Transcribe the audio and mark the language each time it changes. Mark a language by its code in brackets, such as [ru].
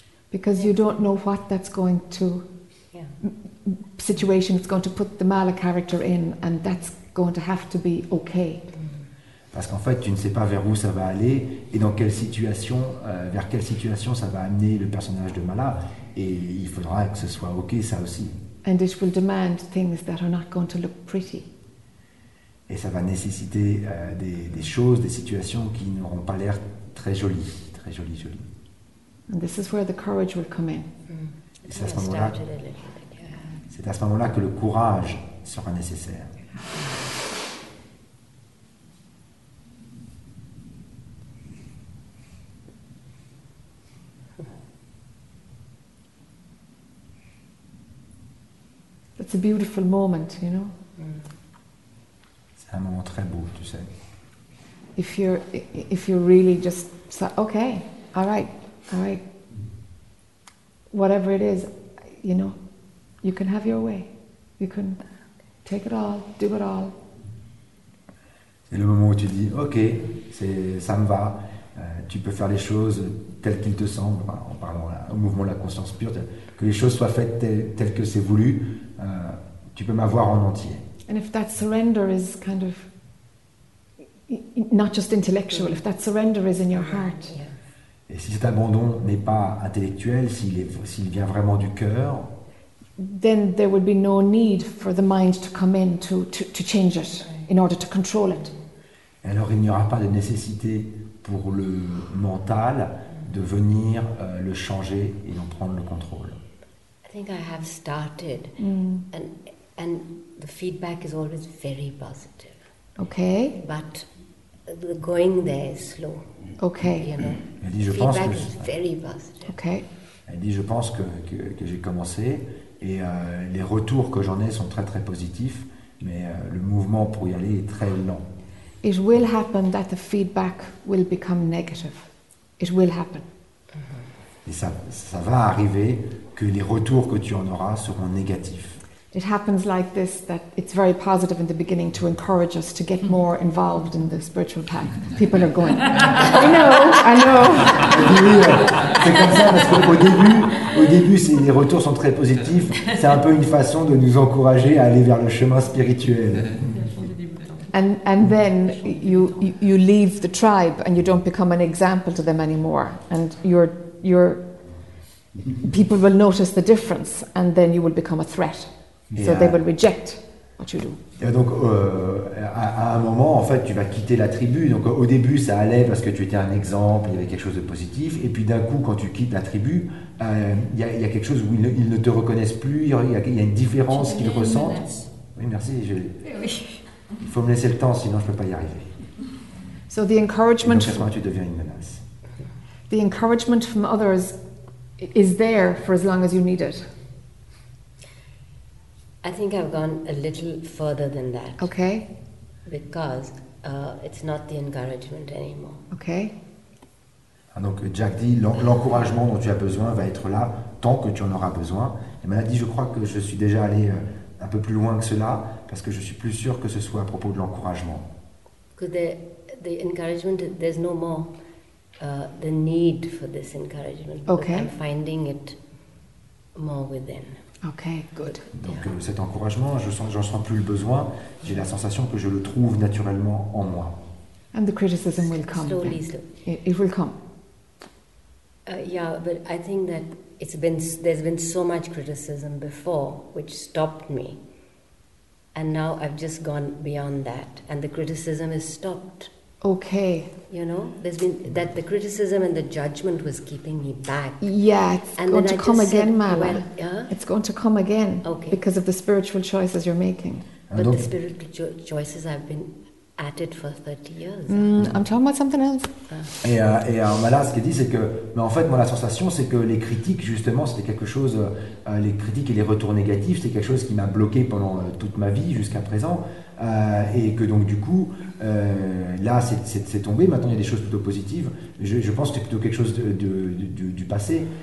[en] Because you don't know what that's going to situation it's going to put the Mala character in, and that's going to have to be okay. [fr] Parce qu'en fait, tu ne sais pas vers où ça va aller et dans quelle situation, vers quelle situation ça va amener le personnage de Mala. Et il faudra que ce soit OK, ça aussi. [en] And it will demand things that are not going to look pretty. [fr] Et ça va nécessiter des choses, des situations qui n'auront pas l'air très jolies, très jolies, jolies. [en] And this is where the courage will come in. [fr] Et c'est à ce moment-là, c'est à ce moment-là que le courage sera nécessaire. [en] It's a beautiful moment, you know. [fr] C'est un moment très beau, tu sais. [en] If you're really just okay, all right. Whatever it is, you know, you can have your way. You can take it all, do it all. [fr] C'est le moment où tu dis OK, c'est ça me va. Tu peux faire les choses telles qu'il te semble, en parlant au mouvement de la conscience pure, que les choses soient faites telles que c'est voulu. Tu peux m'avoir en entier. [en] And if that surrender is kind of not just intellectual, if that surrender is in your heart. [fr] Et si cet abandon n'est pas intellectuel, s'il vient vraiment du cœur, [en] then there would be no need for the mind to come in to change it in order to control it. [fr] Alors il n'y aura pas de nécessité pour le mental de venir le changer et en prendre le contrôle. [en] I think I have started, and the feedback is always very positive. Okay. But the going there is slow. Okay. You know. [fr] Elle dit, [en] very positive. Okay. [fr] Elle dit, je pense que j'ai commencé, et les retours que j'en ai sont très très positifs, mais le mouvement pour y aller est très lent. [en] It will happen that the feedback will become negative. It will happen. [fr] Et ça va arriver que les retours que tu en auras seront négatifs. [en] It happens like this that it's very positive in the beginning to encourage us to get more involved in the spiritual path. People are going, I know. [fr] C'est comme ça parce qu'au début, c'est, les retours sont très positifs. C'est un peu une façon de nous encourager à aller vers le chemin spirituel. [en] And then you leave the tribe and you don't become an example to them anymore. And you're people will notice the difference and then you will become a threat. Et so they will reject what you do. [fr] Et donc à un moment en fait tu vas quitter la tribu. Donc au début ça allait parce que tu étais un exemple, il y avait quelque chose de positif, et puis d'un coup quand tu quittes la tribu il y a quelque chose où ils ne te reconnaissent plus, il y a une différence qu'ils ressentent. Oui, merci. Il faut me laisser le temps sinon je ne peux pas y arriver. [en] So the encouragement, [fr] et donc à ce moment tu deviens une menace. [en] The encouragement from others is there for as long as you need it. I think I've gone a little further than that. Okay. Because it's not the encouragement anymore. Okay. [fr] Ah, donc Jack dit, l'encouragement dont tu as besoin va être là tant que tu en auras besoin. Et Mala dit, je crois que je suis déjà allé un peu plus loin que cela parce que je suis plus sûr que ce soit à propos de l'encouragement. [en] Because the encouragement, there's no more. The need for this encouragement. Okay. I'm finding it more within. Okay, good. [fr] Donc cet encouragement, j'en sens plus le besoin. J'ai la sensation que je le trouve naturellement en moi. [en] And the criticism will come. Slowly, it will come. Yeah, but I think that there's been so much criticism before which stopped me. And now I've just gone beyond that. And the criticism has stopped. Okay. You know, there's been that the criticism and the judgment was keeping me back. Yeah, it's and going to come again, Mama. Well, it's going to come again. Okay. Because of the spiritual choices you're making. But the spiritual choices I've been at it for 30 years. I'm talking about something else. [fr] Et Mala, ce qu'elle dit, c'est que... Mais en fait, moi, la sensation, c'est que les critiques, justement, c'était quelque chose... les critiques et les retours négatifs, c'est quelque chose qui m'a bloqué pendant toute ma vie jusqu'à présent. Et que donc, du coup, là, c'est tombé. Maintenant, il y a des choses plutôt positives. Je pense que c'est plutôt quelque chose du passé.